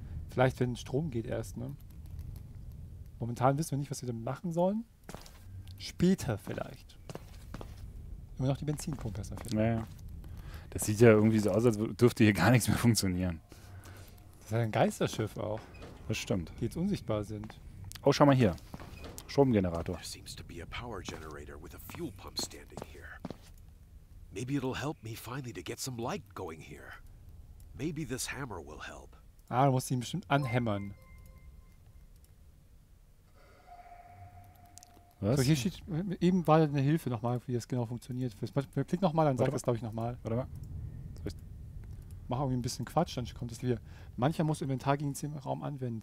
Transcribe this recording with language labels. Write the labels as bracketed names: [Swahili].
[German] Vielleicht, wenn Strom geht erst, ne? Momentan wissen wir nicht, was wir damit machen sollen. Später vielleicht. Immer noch die Benzinpumpe ist dafür. Naja. Das sieht ja irgendwie so aus, als dürfte hier gar nichts mehr funktionieren. Das ist ein Geisterschiff auch. Das stimmt. Die jetzt unsichtbar sind. Oh, schau mal hier. Stromgenerator. [English] There seems to be a power generator with a fuel pump standing here. Maybe it'll help me finally to get some light going here. Maybe this hammer will help. [German] Ah, du musst ihn bestimmt anhämmern. Was? So, hier steht, eben war da eine Hilfe nochmal, wie das genau funktioniert. Klick nochmal, dann sag das, glaube ich, nochmal. Warte mal. Mach irgendwie ein bisschen Quatsch, dann kommt das hier. Mancher muss Inventar gegen den Raum anwenden.